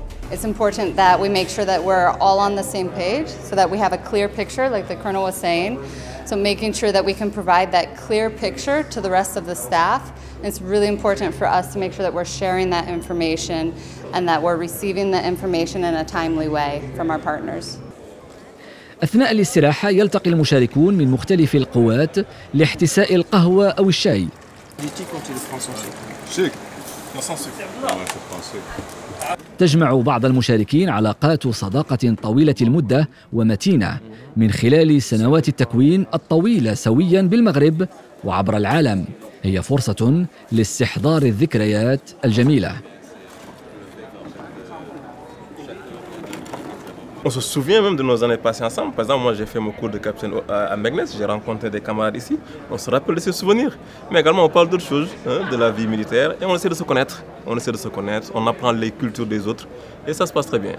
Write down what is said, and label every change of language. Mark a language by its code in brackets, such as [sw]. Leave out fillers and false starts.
[en] It's important that we make sure that we're all on the same page so that we have a clear picture, like the Colonel was saying. So making sure that we can provide that clear picture to the rest of the staff. And it's really important for us to make sure that we're sharing that information and that we're receiving the information in a timely way from our partners. [ar] أثناء الاستراحة يلتقي المشاركون من مختلف القوات لاحتساء القهوة أو الشاي. تجمع بعض المشاركين علاقات صداقة طويلة المدة ومتينة من خلال سنوات التكوين الطويلة سويا بالمغرب وعبر العالم. هي فرصة لاستحضار الذكريات الجميلة. [fr] On se souvient même de nos années passées ensemble. Par exemple, moi j'ai fait mon cours de capitaine à Meknès, j'ai rencontré des camarades ici. On se rappelle de ces souvenirs. Mais également, on parle d'autres choses, hein, de la vie militaire, et on essaie de se connaître. On essaie de se connaître, on apprend les cultures des autres, et ça se passe très bien.